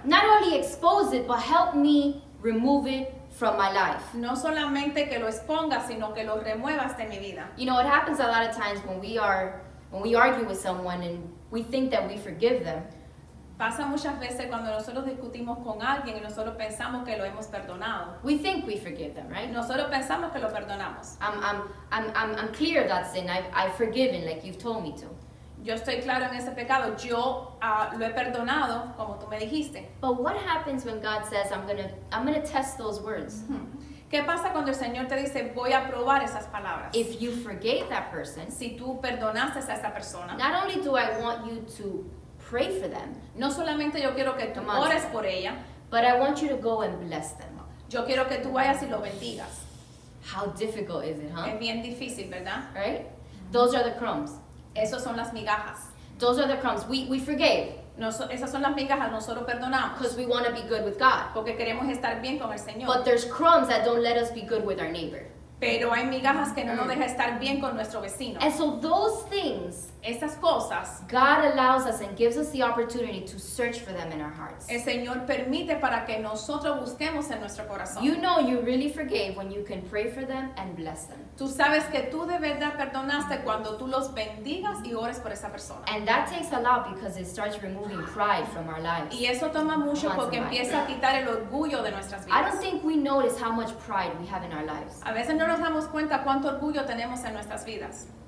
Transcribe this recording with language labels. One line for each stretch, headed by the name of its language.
English: Not only expose it, but help me remove it from my life.
Spanish: No solamente que lo expongas, sino que lo remuevas de mi vida.
English: You know, it happens a lot of times when we argue with someone and we think that we forgive them.
Spanish: Pasa muchas veces cuando nosotros discutimos con alguien y nosotros pensamos que lo hemos perdonado.
English: We think we forgive them, right?
Spanish: Nosotros pensamos que lo perdonamos.
English: I'm clear of that sin. I've forgiven, like you've told me to.
Spanish: Yo estoy claro en ese pecado. Yo lo he perdonado, como tú me dijiste.
English: But what happens when God says, I'm gonna test those words?
Spanish: ¿Qué pasa cuando el Señor te dice, voy a probar esas palabras?
English: If you forgave that person,
Spanish: si tú perdonaste a esa persona,
English: not only do I want you to pray for them,
Spanish: no solamente yo quiero que tú ores por ella,
English: but I want you to go and bless them.
Spanish: Yo quiero que tú vayas y lo bendigas.
English: How difficult is it, huh?
Spanish: Es bien difícil, ¿verdad?
English: Right? Those are the crumbs.
Spanish: Esos son las migajas.
English: Those are the crumbs. We forgave.
Spanish: Esas son las migajas, nosotros perdonamos.
English: Because we want to be good with God.
Spanish: Porque queremos estar bien con el Señor.
English: But there's crumbs that don't let us be good with our neighbor.
Spanish: Pero hay migajas que no nos deja estar bien con nuestro vecino.
English: And so those things,
Spanish: esas cosas,
English: God allows us and gives us the opportunity to search for them in our hearts.
Spanish: El Señor permite para que nosotros busquemos en nuestro corazón.
English: You know you really forgave when you can pray for them and bless them.
Spanish: Tú sabes que tú de verdad perdonaste cuando tú los bendigas y ores por esa persona.
English: And that takes a lot because it starts removing pride from our lives.
Spanish: Y eso toma mucho porque empieza a quitar el orgullo de nuestras vidas.
English: I don't think we notice how much pride we have in our lives.
Spanish: A veces no nos damos cuenta cuánto orgullo tenemos en nuestras vidas.